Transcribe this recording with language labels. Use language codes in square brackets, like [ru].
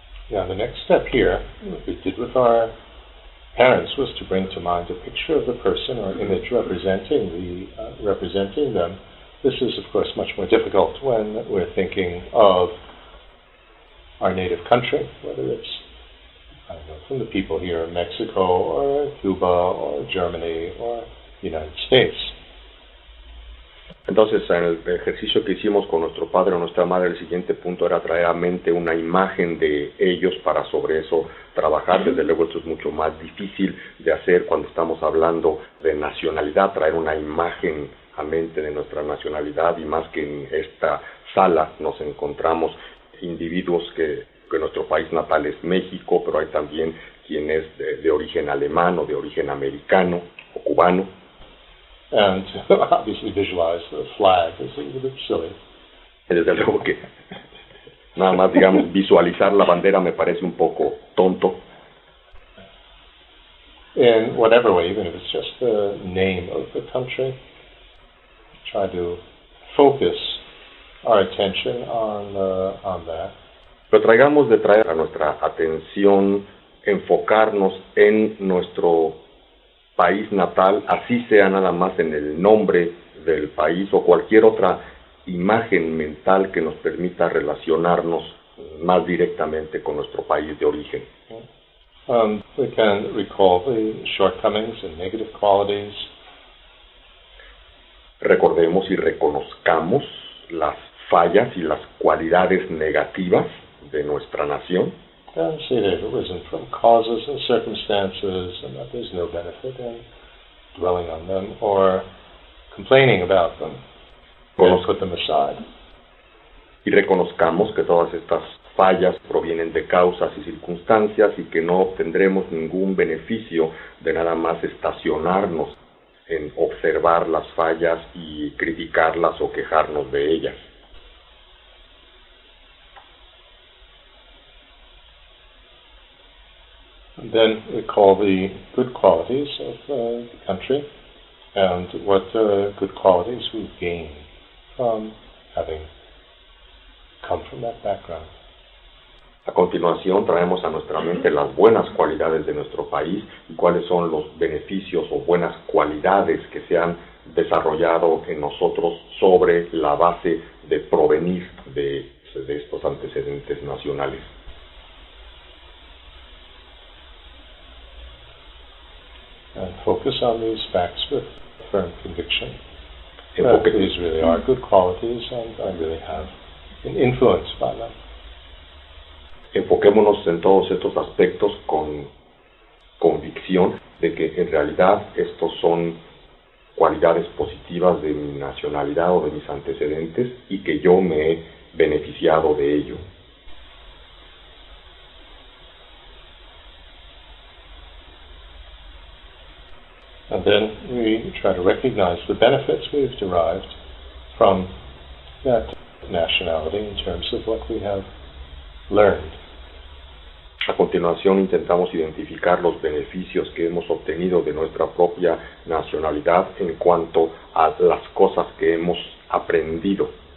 [en] Now the next step here, what we did with our parents, was to bring to mind a picture of the person or image representing the representing them. This is of course much more difficult when we're thinking of our native country, whether it's from the people here in Mexico, or Cuba, or Germany, or the United States. [es] Entonces, en el ejercicio que hicimos con nuestro padre o nuestra madre, el siguiente punto era traer a mente una imagen de ellos para sobre eso trabajar. Desde luego, esto es mucho más difícil de hacer cuando estamos hablando de nacionalidad, traer una imagen a mente de nuestra nacionalidad, y más que en esta sala nos encontramos individuos que nuestro país natal es México, pero hay también quien es de origen alemán o de origen americano o cubano. [en] And obviously visualize the flag is a little bit silly. [es] Desde luego que nada más, digamos, visualizar la bandera me parece un poco tonto. [en] In whatever way, even if it's just the name of the country, try to focus our attention on that. [es] Pero traigamos de traer a nuestra atención, enfocarnos en nuestro país natal, así sea nada más en el nombre del país o cualquier otra imagen mental que nos permita relacionarnos más directamente con nuestro país de origen. [en] We can recall the shortcomings and negative qualities. [es] Recordemos y reconozcamos las fallas y las cualidades negativas de nuestra nación. [en] And see that it arisen from causes and circumstances, and that there's no benefit in dwelling on them or complaining about them. Put them aside. [es] Y reconozcamos que todas estas fallas provienen de causas y circunstancias, y que no obtendremos ningún beneficio de nada más estacionarnos en observar las fallas y criticarlas o quejarnos de ellas. [en] And then recall the good qualities of the country and what good qualities we gain from having come from that background. [es] A continuación traemos a nuestra mente las buenas cualidades de nuestro país y cuáles son los beneficios o buenas cualidades que se han desarrollado en nosotros sobre la base de provenir de estos antecedentes nacionales. [en] And focus on these facts with firm conviction. That these really are good qualities and I really have an influence by them. [es] Enfoquémonos en todos estos aspectos con convicción de que en realidad estos son cualidades positivas de mi nacionalidad o de mis antecedentes y que yo me he beneficiado de ello. [en] And then we try to recognize the benefits we've derived from that nationality in terms of what we have learned. [es] A continuación intentamos identificar los beneficios que hemos obtenido de nuestra propia nacionalidad en cuanto a las cosas que hemos aprendido.